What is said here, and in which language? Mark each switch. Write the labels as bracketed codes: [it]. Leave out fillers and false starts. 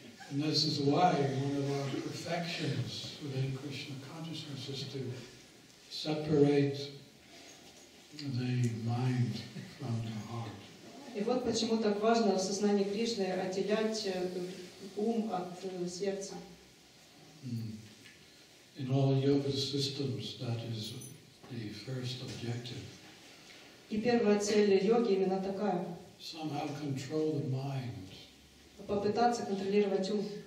[en] And this is why one of our perfections within Krishna consciousness is to separate the mind from the heart. [ru] И вот почему так важно в сознании Кришны отделять ум от сердца. [en] In all yoga systems, that is the first objective. [ru] И первая цель йоги именно такая. [en] Somehow control the mind. [ru] Попытаться контролировать ум.